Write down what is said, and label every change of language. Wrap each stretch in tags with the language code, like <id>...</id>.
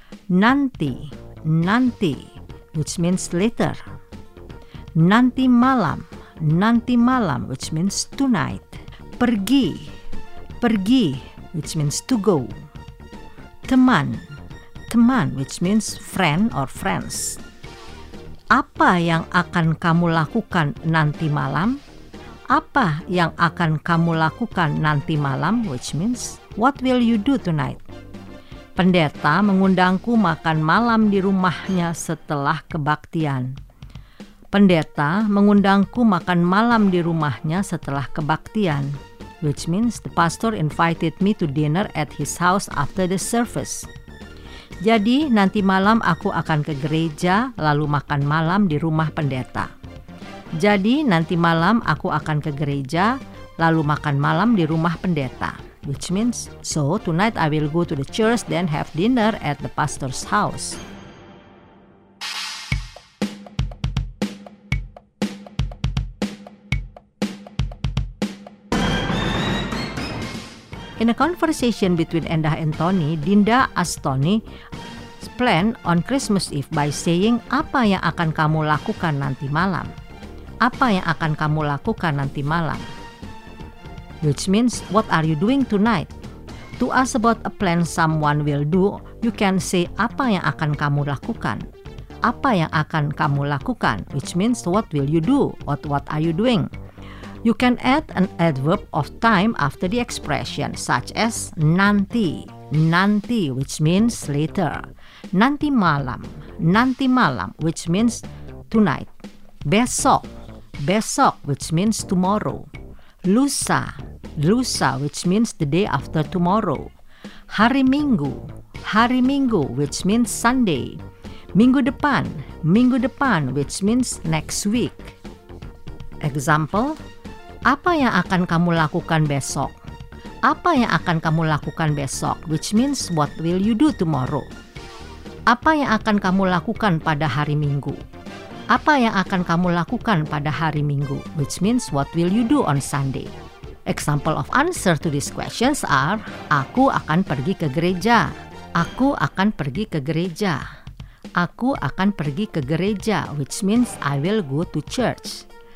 <id>Nanti, nanti,</id> <en>which means later.</en> <id>Nanti malam,</id> <en>which means tonight.</en> <id>Pergi, pergi,</id> <en>which means to go.</en> <id>Teman, teman,</id> <en>which means friend or friends.</en> <id>Apa yang akan kamu lakukan nanti malam? Apa yang akan kamu lakukan nanti malam,</id> <en>which means what will you do tonight?</en> <id>Pendeta mengundangku makan malam di rumahnya setelah kebaktian. Pendeta mengundangku makan malam di rumahnya setelah kebaktian,</id> <en>which means the pastor invited me to dinner at his house after the service.</en> <id>Jadi nanti malam aku akan ke gereja lalu makan malam di rumah pendeta. Jadi nanti malam aku akan ke gereja lalu makan malam di rumah pendeta,</id> <en>which means so tonight I will go to the church then have dinner at the pastor's house. In a conversation between Endah and Tony, Dinda asked Tony plan on Christmas Eve by saying,</en> <id>apa yang akan kamu lakukan nanti malam? Apa yang akan kamu lakukan nanti malam?</id> <en>Which means, what are you doing tonight? To ask about a plan someone will do, you can say,</en> <id>apa yang akan kamu lakukan? Apa yang akan kamu lakukan?</id> <en>Which means, what will you do? What are you doing? You can add an adverb of time after the expression, such as nanti.</en> <id>Nanti,</id> <en>which means later.</en> <id>Nanti malam. Nanti malam,</id> <en>which means tonight.</en> <id>Besok. Besok,</id> <en>which means tomorrow.</en> <id>Lusa. Lusa,</id> <en>which means the day after tomorrow.</en> <id>Hari Minggu. Hari Minggu,</id> <en>which means Sunday.</en> <id>Minggu depan. Minggu depan,</id> <en>which means next week.</en> <id>Example, apa yang akan kamu lakukan besok? Apa yang akan kamu lakukan besok?</id> <en>Which means, what will you do tomorrow?</en> <id>Apa yang akan kamu lakukan pada hari Minggu? Apa yang akan kamu lakukan pada hari Minggu?</id> <en>Which means, what will you do on Sunday? Example of answer to these questions are,</en> <id>aku akan pergi ke gereja. Aku akan pergi ke gereja. Aku akan pergi ke gereja,</id> <en>which means I will go to church.</en>